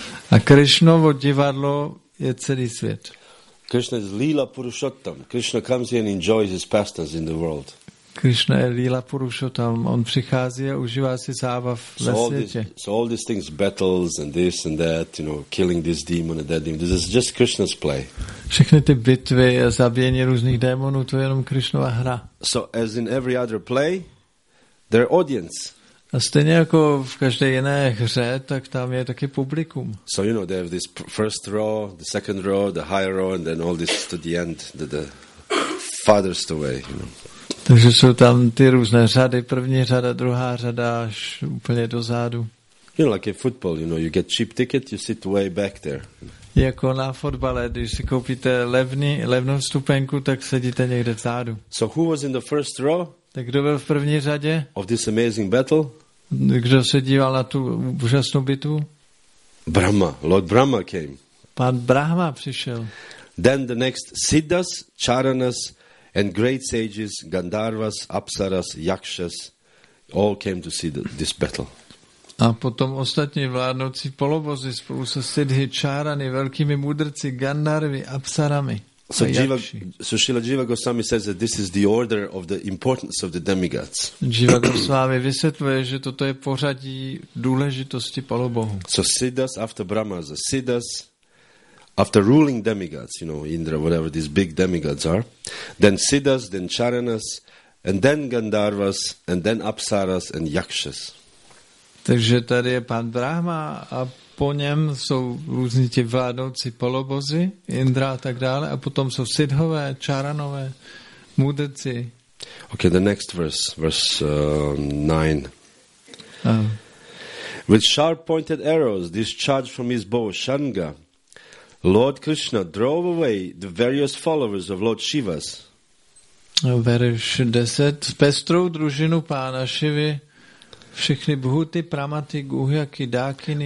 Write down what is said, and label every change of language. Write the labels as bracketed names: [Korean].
[Czech] A Krishnovo divadlo je celý svět. [English] Krishna is Lila Purushottam. Krishna comes here and enjoys his pastimes in the world. [Czech] Krishna je Lila Purushottam. On přichází a užívá si zábav ve světě. [English] So all these things, battles and this and that, you know, killing this demon and that demon, this is just Krishna's play. [Czech] Všechny ty bitvy a zabíjení různých démonů, to je jenom Krishnova hra. [English] So as in every other play, their audience. [Czech] A stejně jako v každé jiné hře, tak tam je taky publikum. [English] So you know, they have this first row, the second row, the higher row, and then all this to the end, the farthest away. You know. [Czech] Takže jsou tam ty různé řady, první řada, druhá řada, až úplně dozadu. [English] You know, like a football, you know, you get cheap ticket, you sit way back there. [Czech] Jako na fotbale, když si koupíte levnou vstupenku, tak sedíte někde vzadu. [English] So who was in the first row? [Czech] Tak kdo byl v první řadě? [English] Of this amazing battle? [Czech] Kdo se díval na tu úžasnou bitvu? [English] Brahma, Lord Brahma came. [Czech] Pan Brahma přišel. [English] Then the next Siddhas, Charanas and great sages, Gandharvas, Apsaras, Yakshas all came to see this battle. [Czech] A potom ostatní vládnoucí polobozy spolu se Siddhi, Čárany, velkými mudrci, Gandharvy, Apsarami. [English] So Jiva Goswami says that this is the order of the importance of the demigods. [Czech] Jiva Goswami vysvětluje, že toto je pořadí důležitosti polobohů. [English] So Siddhas after Brahmas, the Siddhas after ruling demigods, you know, Indra, whatever these big demigods are, then Siddhas, then Charanas, and then Gandharvas, and then Apsaras and Yakshas. [Czech] Takže tady je pan Brahma a po něm jsou různí ti vládnoucí polobozy, Indra a tak dále, a potom jsou Siddhové, Čaranové, mudrci. [English] Okay, the next verse, verse 9. With sharp-pointed arrows discharged from his bow, Shanga, Lord Krishna drove away the various followers of Lord Shiva's. [Czech] Verš 10. Pestrou družinu pána Šivy všechny bhuty, pramaty, guhyaky, dákiny.